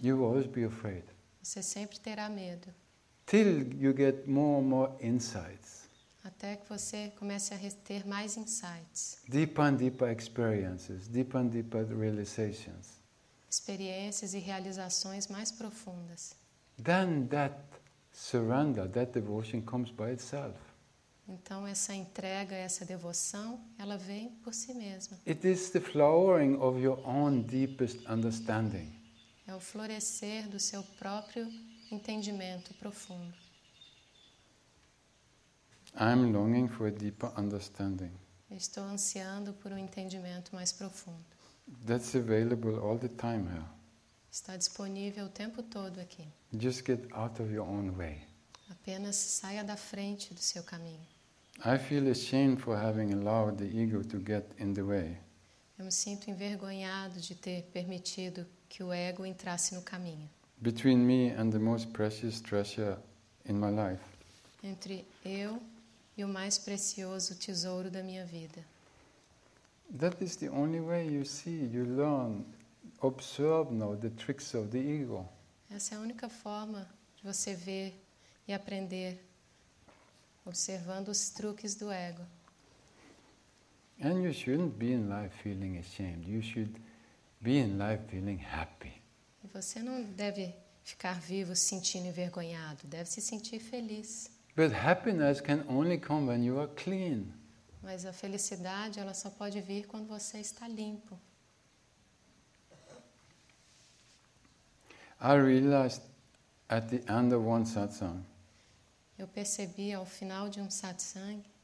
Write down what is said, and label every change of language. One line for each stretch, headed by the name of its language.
English: you will always be afraid.
Portuguese: Você sempre terá medo.
English: Till you get more and more insights.
Portuguese: Até que você comece a ter mais insights.
English: Deeper and deeper experiences, deeper and deeper realizations.
Portuguese: Experiências e realizações mais profundas.
English: Then that surrender, that devotion comes by itself.
Portuguese: Então essa entrega, essa devoção, ela vem por si mesma.
English: It is the flowering of your own deepest understanding.
Portuguese: É o florescer do seu próprio entendimento profundo.
English: I'm longing for a deeper understanding.
Portuguese: Estou ansiando por um entendimento mais profundo.
English: That's available all the time here.
Portuguese: Está disponível o tempo todo aqui.
English: Just get out of your own way.
Portuguese: Apenas saia da frente do seu caminho.
English: I feel ashamed for having allowed the ego to get in the way.
Portuguese: Eu me sinto envergonhado de ter permitido que o ego entrasse no caminho.
English: Between me and the most precious treasure in my life.
Portuguese: Entre eu e o mais precioso tesouro da minha vida.
English: That is the only way you see, you learn, observe now the tricks of the ego.
Portuguese: Essa é a única forma de você ver e aprender. Observando os truques do ego.
English: And you shouldn't be in life feeling ashamed. You should be in life feeling happy.
Portuguese: E você não deve ficar vivo sentindo envergonhado. Deve se sentir feliz.
English: But happiness can only come when you are clean.
Portuguese: Mas a felicidade ela só pode vir quando você está limpo.
English: I realized at the end of one satsang.
Portuguese: Eu percebi ao final de um satsang